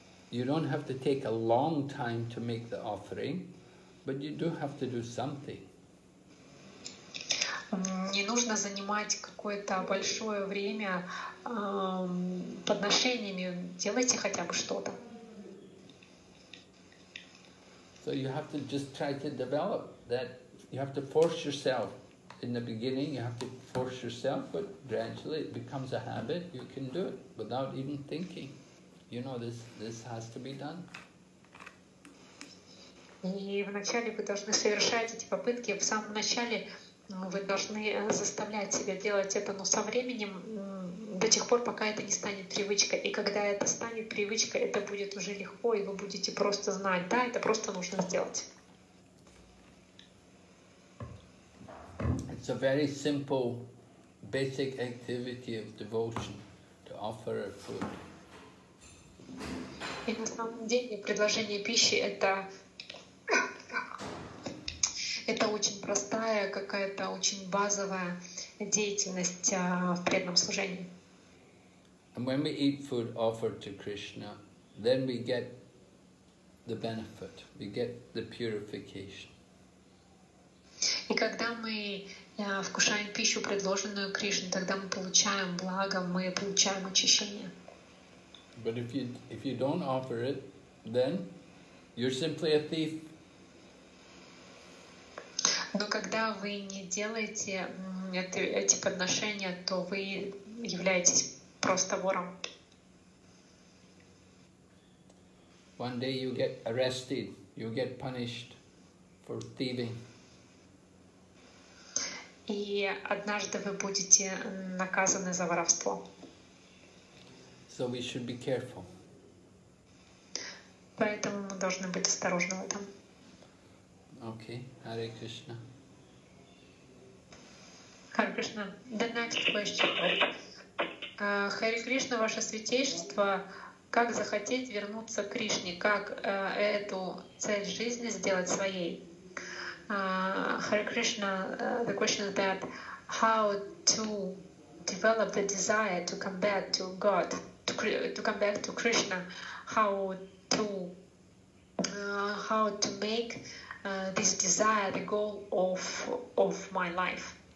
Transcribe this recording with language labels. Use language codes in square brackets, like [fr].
[en] You don't have to take a long time to make the offering, but you do have to do something. [ru] Не нужно занимать какое-то большое время подношениями, делайте хотя бы что-то. [en] So you have to just try to develop that. You have to force yourself. In the beginning, you have to force yourself, but gradually it becomes a habit. You can do it without even thinking. You know, this has to be done. [ru] И вначале вы должны совершать эти попытки. В самом начале вы должны заставлять себя делать это, но со временем, до тех пор, пока это не станет привычкой. И когда это станет привычкой, это будет уже легко, и вы будете просто знать, да, это просто нужно сделать. [en] It's a very simple, basic activity of devotion to offer food. [ru] И на самом деле предложение пищи — это... Это очень простая, какая-то очень базовая деятельность в преданном служении. [en] And when we eat food offered to Krishna, then we get the benefit, we get the purification. [ru] И когда мы вкушаем пищу, предложенную Кришне, тогда мы получаем благо, мы получаем очищение. [en] But if you don't offer it, then you're simply a thief. [ru] Но когда вы не делаете эти подношения, то вы являетесь просто вором. [en] One day you get arrested, you get punished for thieving. [ru] И однажды вы будете наказаны за воровство. [en] So we should be careful. [ru] Поэтому мы должны быть осторожны в этом. Окей, Харе Кришна. [en] Харе Кришна, the next question. [ru] Харе Кришна, ваше святейшество, как захотеть вернуться к Кришне, как эту цель жизни сделать своей? [en] Харе Кришна, the question is that how to develop the desire to come back to God, to come back to Krishna, how to make this desire the goal of my life.